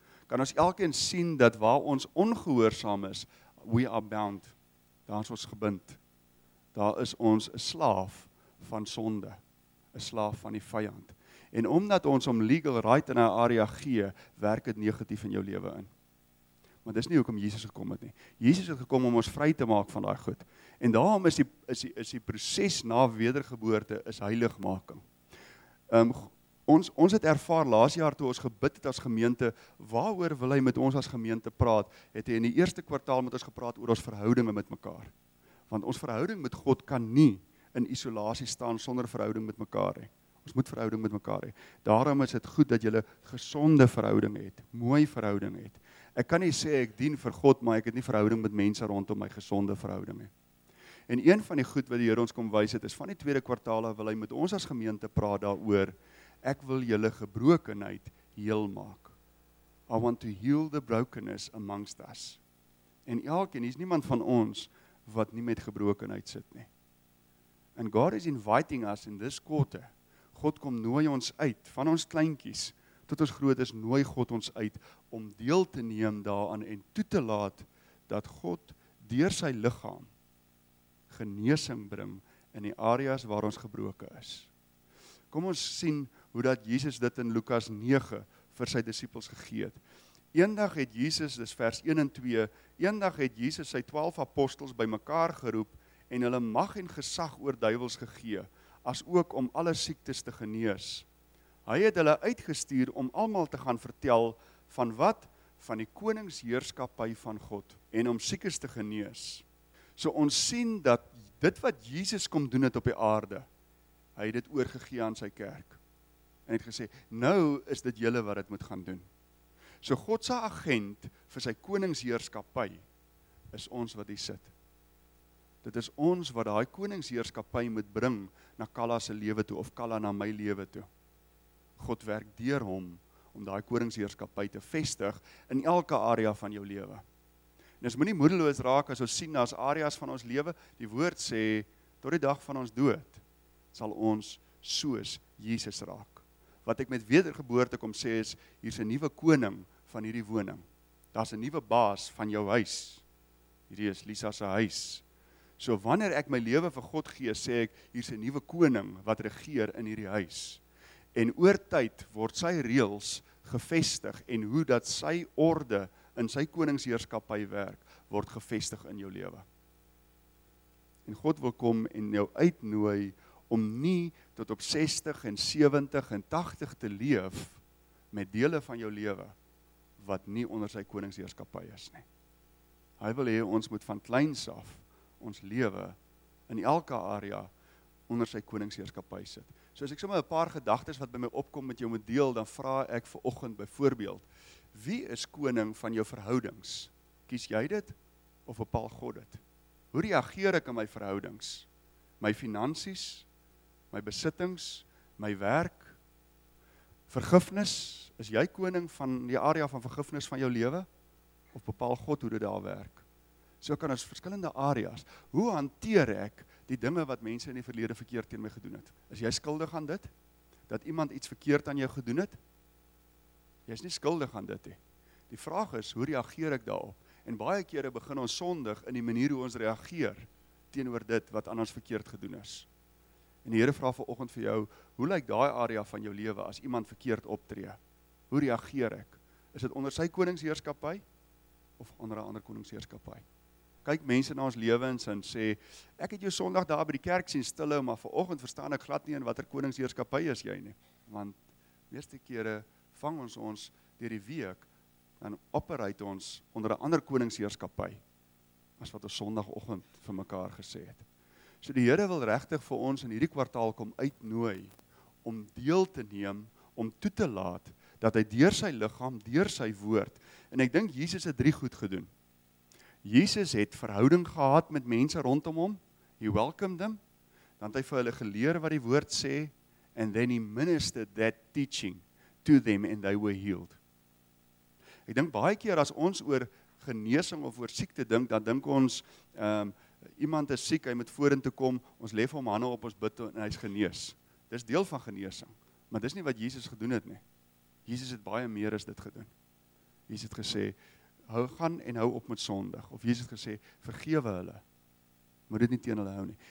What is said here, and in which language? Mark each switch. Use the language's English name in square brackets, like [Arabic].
[Afrikaans] Kan ons elkeen sien dat waar ons ongehoorsaam is, [English] we are bound, [Afrikaans] daar is ons gebind. Daar is ons 'n slaaf van sonde, 'n slaaf van die vyand. En omdat ons om [English] legal right [Afrikaans] in 'n area gee, werk dit negatief in jou lewe in. Maar dis nie hoekom Jesus gekom het nie. Jesus het gekom om ons vry te maak van daai goed. En daarom is die proses na wedergeboorte is heiligmaking. Ons het ervaar laas jaar toe ons gebid het as gemeente, waaroor wil hy met ons as gemeente praat? Het hy in die eerste kwartaal met ons gepraat oor ons verhoudinge met mekaar. Want ons verhouding met God kan nie in isolasie staan sonder verhouding met mekaar nie. Ons moet verhouding met mekaar hê. Daarom is dit goed dat jy 'n gesonde verhouding het, mooi verhouding het. Ek kan nie sê ek dien vir God, maar ek het nie verhouding met mense rondom my gesonde verhouding nie. En een van die goed wat die Here ons kom wys het, is van die tweede kwartaal wil hy met ons as gemeente praat daaroor, ek wil julle gebrokenheid heel maak. [English] I want to heal the brokenness amongst us. [Afrikaans] En elkeen, hier is niemand van ons wat nie met gebrokenheid sit nie. [English] And God is inviting us in this quarter. [Afrikaans] God kom nooi ons uit, van ons kleintjies tot ons grootes, nooi God ons uit om deel te neem daaraan en toe te laat dat God deur sy liggaam genesing bring in die areas waar ons gebroke is. Kom ons sien hoe dat Jesus dit in Lukas 9 vir sy disippels gegee het. Eendag het Jesus, dis vers 1 en 2, eendag het Jesus sy 12 apostels bymekaar geroep en hulle mag en gesag oor duiwels gegee, as ook om alle siektes te genees. Hy het hulle uitgestuur om almal te gaan vertel van wat? Van die koningsheerskappy van God en om siektes te genees. So ons sien dat dit wat Jesus kom doen het op die aarde, hy het dit oorgegee aan sy kerk. En het gesê, nou is dit julle wat het moet gaan doen. So God se agent vir sy koningsheerskappy is ons wat hier sit. Dit is ons wat daai koningsheerskappy moet bring na Kalla se lewe toe of Kalla na my lewe toe. God werk deur hom om daai koningsheerskappy te vestig in elke area van jou lewe. En ons moenie moedeloos raak as ons sien daar's areas van ons lewe, die woord sê tot die dag van ons dood sal ons soos Jesus raak. Wat ek met wedergeboorte kom sê is hier's 'n nuwe koning van hierdie woning. Daar's 'n nuwe baas van jou huis. Hierdie is Lisa se huis. So wanneer ek my lewe vir God gee, sê ek, hier's 'n nuwe koning wat regeer in hierdie huis. En oor tyd word sy reëls gevestig en hoe dat sy orde in sy koningsheerskappy werk, word gevestig in jou lewe. En God wil kom en jou uitnooi om nie tot op 60 en 70 en 80 te leef met dele van jou lewe wat nie onder sy koningsheerskappy is nie. Hy wil hê ons moet van kleins af ons lewe in elke area onder sy koningsheerskappy sit. So as ek sommer 'n paar gedagtes wat by my opkom met jou moet deel, dan vra ek vir oggend byvoorbeeld, wie is koning van jou verhoudings? Kies jy dit of bepaal God dit? Hoe reageer ek in my verhoudings? My finansies, my besittings, my werk, vergifnis, is jy koning van die area van vergifnis van jou lewe of bepaal God hoe dit daar werk? So kan ons verskillende areas. Hoe hanteer ek die dinge wat mense in die verlede verkeerd teen my gedoen het? Is jy skuldig aan dit? Dat iemand iets verkeerd aan jou gedoen het? Jy is nie skuldig aan dit nie. Die vraag is, hoe reageer ek daarop? En baie kere begin ons sondig in die manier hoe ons reageer teenoor dit wat aan ons verkeerd gedoen is. En die Here vra vanoggend vir jou, hoe lyk daai area van jou lewe as iemand verkeerd optree? Hoe reageer ek? Is dit onder sy koningsheerskappy of onder 'n ander koningsheerskappy? Kyk mense na ons lewens en sê, ek het jou Sondag daar by die kerk sien stille, maar vanoggend verstaan ek glad nie in watter koningsheerskappy is jy nie. Want meeste kere vang ons ons deur die week en operate ons onder 'n ander koningsheerskappy as wat ons Sondagoggend vir mekaar gesê het. So die Here wil regtig vir ons in hierdie kwartaal kom uitnooi om deel te neem, om toe te laat dat hy deur sy liggaam, deur sy woord, en ek dink Jesus het drie goed gedoen. Jesus het verhouding gehad met mense rondom hom. [English] He welcomed them. [Afrikaans] Dan het hy vir hulle geleer wat die woord sê. [English] And then he ministered that teaching to them and they were healed. [Afrikaans] Ek dink baie keer as ons oor genesing of oor siekte dink, dan dink ons, iemand is siek, hy moet vorentoe kom, ons lê vir hom hande op, ons bid en hy is genees. Dis deel van genesing. Maar dis nie wat Jesus gedoen het nie. Jesus het baie meer as dit gedoen. Jesus het gesê, hou gaan en hou op met sondig. Of Jesus het gesê, vergewe hulle. Moet dit nie teen hulle hou nie.